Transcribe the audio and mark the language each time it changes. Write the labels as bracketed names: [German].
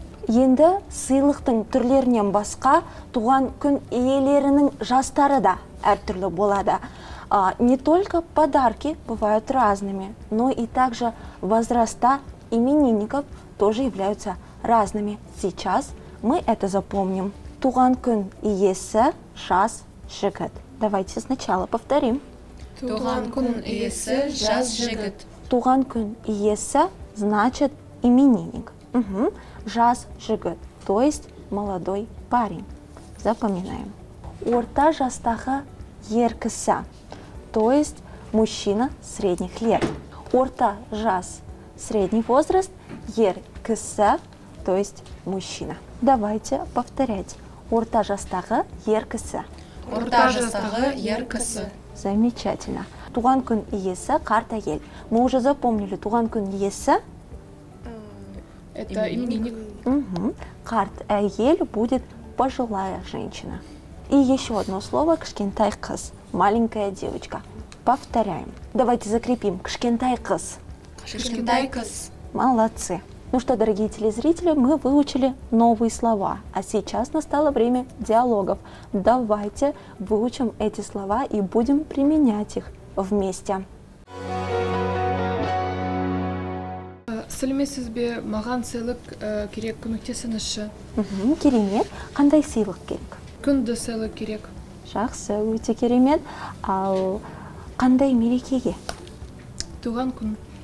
[Kazakh] Енді сыйлықтың түрлерінен басқа туған күн иелерінің жастары да әртүрлі болады. [Russian] Не только подарки бывают разными, но и также возраста именинников тоже являются разными. Сейчас мы это запомним. [Kazakh] Туған күн иесі жас жігіт. [Russian] Давайте сначала повторим. [Kazakh] Туған күн иесі жас жігіт. Туған күн иесі [Russian] значит именинник. Угу. [Kazakh] Жас жігіт, [Russian] то есть молодой парень. Запоминаем. [Kazakh] Орта жастағы ер кісі, [Russian] то есть мужчина средних лет. [Kazakh] Орта жас [Russian] – средний возраст, [Kazakh] ер кісі, [Russian] то есть мужчина. Давайте повторять. [Kazakh] Орта жастағы ер кісі. Орта жастағы ер кісі. [Russian] Замечательно. [Kazakh] Туған күн иесі – қарт әйел. [Russian] Мы уже запомнили, [Kazakh] туған күн иесі – [Russian] это именинник. Угу. [Kazakh] Карт әйель [Russian] будет пожилая женщина. И еще одно слово. [Kazakh] Кішкентай қыз. [Russian] Маленькая девочка. Повторяем. Давайте закрепим. [Kazakh] Кішкентай қыз. Кішкентай қыз. [Russian] Молодцы. Ну что, дорогие телезрители, мы выучили новые слова. А сейчас настало время диалогов. Давайте выучим эти слова и будем применять их вместе. [Kazakh] Сәлеметсізбе, маған сыйлық керек, көмектесіңізші. Керемет. Қандай сыйлық керек? Күнді сыйлық керек. Жақсы, өте керемет. Ал қандай мерекеге? Туған күн.